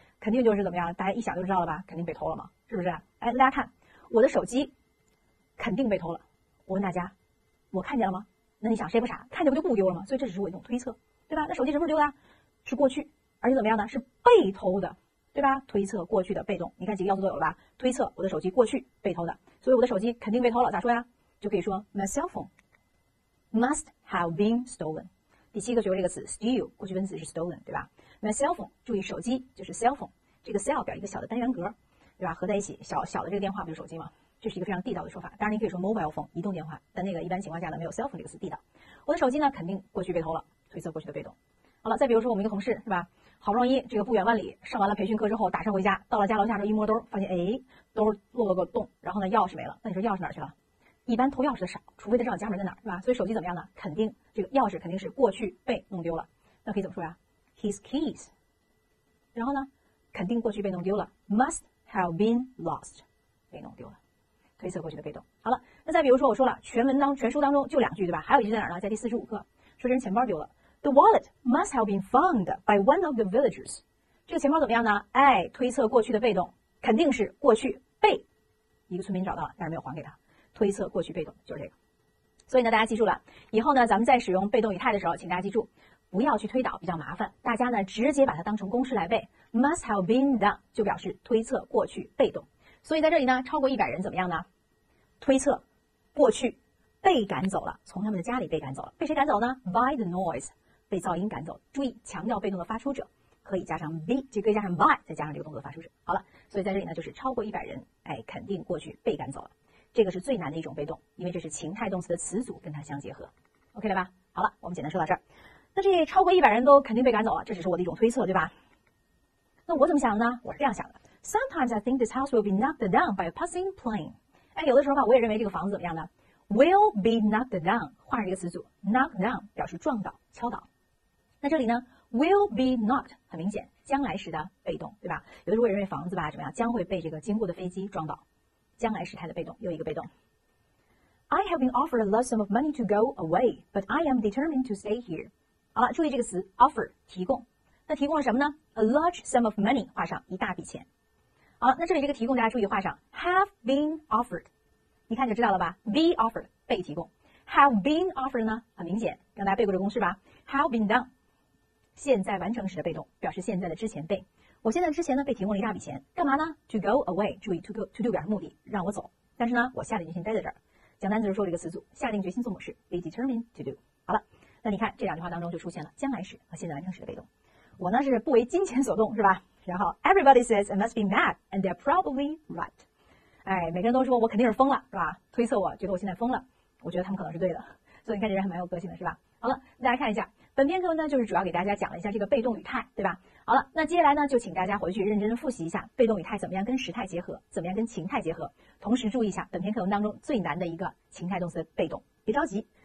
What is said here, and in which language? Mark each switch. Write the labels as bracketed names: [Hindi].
[Chinese] 肯定就是怎么样，大家一想就知道了吧，肯定被偷了嘛，是不是？哎，大家看我的手机肯定被偷了。我问大家，我看见了吗？那你想谁不傻，看见不就不丢了吗？所以这只是我一种推测，对吧？那手机什么时候丢的？是过去，而且怎么样呢？是被偷的，对吧？推测过去的被动，你看几个要素都有了吧？推测我的手机过去被偷的，所以我的手机肯定被偷了，咋说呀？就可以说 [English] my cell phone must have been stolen。 [Chinese] 第七个学过这个词 steal， 过去分词是 stolen， 对吧？ [English] my cell phone， [Chinese] 注意手机就是 [English] cell phone， [Chinese] 这个 cell 表一个小的单元格，对吧？合在一起，小的这个电话不就是手机吗？这是一个非常地道的说法。当然你可以说 [English] mobile phone， [Chinese] 移动电话，但那个一般情况下呢没有 [English] cell phone [Chinese] 这个词地道。我的手机呢肯定过去被偷了，推测过去的被动。好了，再比如说我们一个同事，是吧？好不容易这个不远万里上完了培训课之后打车回家，到了家楼下之后一摸兜，发现哎，兜落了个洞，然后呢钥匙没了。那你说钥匙哪去了？一般偷钥匙的少，除非他知道家门在哪儿，是吧？所以手机怎么样呢？肯定这个钥匙肯定是过去被弄丢了。那可以怎么说呀？ [English] His keys， [Chinese] 然后呢肯定过去被弄丢了， [English] must have been lost， [Chinese] 被弄丢了，推测过去的被动。好了，那再比如说我说了全书当中就两句，对吧？还有一句在哪儿呢？在第45课说这人钱包丢了， [English] The wallet must have been found by one of the villagers。 [Chinese] 这个钱包怎么样呢？哎，推测过去的被动，肯定是过去被一个村民找到了，但是没有还给他，推测过去被动就是这个。所以呢大家记住了，以后呢咱们在使用被动语态的时候，请大家记住不要去推导，比较麻烦，大家呢直接把它当成公式来背， [English] must have been done [Chinese] 就表示推测过去被动。所以在这里呢超过100人怎么样呢？推测过去被赶走了，从他们的家里被赶走了，被谁赶走呢？ [English] by the noise， [Chinese] 被噪音赶走。注意强调被动的发出者，可以加上 be， 就可以加上 by， 再加上这个动作发出者。好了，所以在这里呢就是超过100人，哎，肯定过去被赶走了，这个是最难的一种被动，因为这是情态动词的词组跟它相结合， OK 了吧？好了，我们简单说到这儿。那这超过100人都肯定被赶走了，这只是我的一种推测，对吧？那我怎么想的呢？我是这样想的， [English] Sometimes I think this house will be knocked down by a passing plane。 [Chinese] 哎，有的时候吧我也认为这个房子怎么样呢？ [English] will be knocked down， [Chinese] 换上一个词组， [English] knock down [Chinese] 表示撞倒敲倒。那这里呢 [English] will be knocked [Chinese] 很明显将来时的被动，对吧？有的时候我也认为房子吧怎么样，将会被这个经过的飞机撞倒，将来时态的被动，又一个被动。 [English] I have been offered a large sum of money to go away, but I am determined to stay here. [Chinese] 好了，注意这个词 offer 提供。那提供了什么呢 ？ [English] A large sum of money [Chinese] 画上一大笔钱。好了，那这里这个提供大家注意画上 [English] have been offered， [Chinese] 你看就知道了吧 ？ [English] Be offered [Chinese] 被提供 ，have been offered 呢？很明显，刚大家背过这公式吧 ？ [English] Have been done [Chinese] 现在完成时的被动，表示现在的之前被。我现在之前呢被提供了一大笔钱，干嘛呢 ？ [English] To go away， [Chinese] 注意 [English] to go to do [Chinese] 表示目的，让我走。但是呢，我下定决心待在这儿。讲单词时说这个词组，下定决心做某事 ， [English] be determined to do。 [Chinese] 好了，那你看这两句话当中就出现了将来时和现在完成时的被动。我呢是不为金钱所动，是吧？然后 [English] everybody says I must be mad and they're probably right。 [Chinese] 哎，每个人都说我肯定是疯了，是吧？推测我觉得我现在疯了，我觉得他们可能是对的。所以你看这人还蛮有个性的，是吧？好了，大家看一下，本篇课文呢就是主要给大家讲了一下这个被动语态，对吧？好了，那接下来呢就请大家回去认真的复习一下被动语态怎么样跟时态结合，怎么样跟情态结合，同时注意一下本篇课文当中最难的一个情态动词被动。别着急。